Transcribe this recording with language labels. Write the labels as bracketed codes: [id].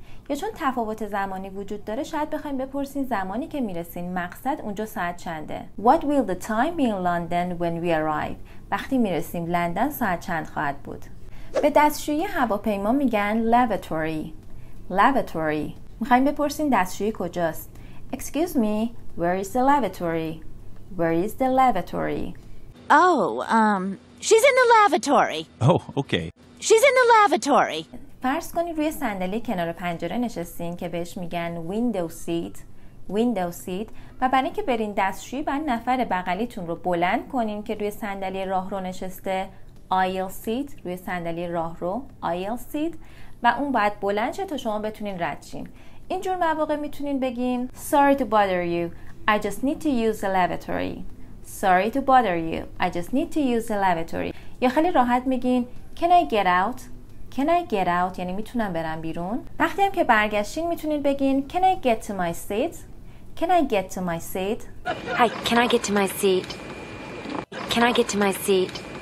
[fa] یا چون تفاوت زمانی وجود داره شاید بخواین بپرسین زمانی که میرسین مقصد اونجا ساعت چنده. [en] What will the time be in London when we arrive? [fa] وقتی میرسیم لندن ساعت چند خواهد بود؟ به دستشویی هواپیما میگن lavatory. [en] Lavatory. [fa] میخواییم بپرسیم دستشویی کجاست؟ [en] Excuse me, where is the lavatory? Where is the lavatory? She's in the lavatory. Oh, okay. She's in the lavatory. [fa] فرض کنید روی صندلی کنار پنجره نشستین که بهش میگن window seat. [en] Window seat. [fa] و برای اینکه برین دستشویی باید نفر بغلیتون رو بلند کنین که روی صندلی راهرو نشسته. [en] Aisle seat. [fa] روی صندلی راهرو. [en] Aisle seat. [fa] و اون باید بلند شه تا شما بتونین رد شین. اینجور مواقع میتونین بگین [en] Sorry to bother you. I just need to use the lavatory. Sorry to bother you. I just need to use the lavatory. [fa] یا خیلی راحت میگین [en] Can I get out? Can I get out? [fa] یعنی میتونم برم بیرون. وقتی هم که برگشتین میتونین بگین [en] Can I get to my seat? Can I get to my seat? Hi, can I get to my seat? Can I get to my seat?